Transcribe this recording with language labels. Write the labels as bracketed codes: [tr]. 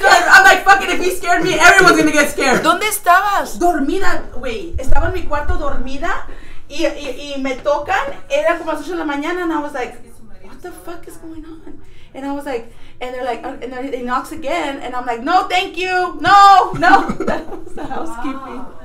[en] I'm like, fuck it. If he scared me, everyone's gonna get scared. [es] ¿Dónde estabas? Dormida, güey. Estaba en mi cuarto dormida. Y me tocan. Era como a las 8 de la mañana. [en] And I was like, what the fuck is going on? And I was like, and they're like, and then he knocks again. And I'm like, no, thank you. No, no. That was the housekeeping.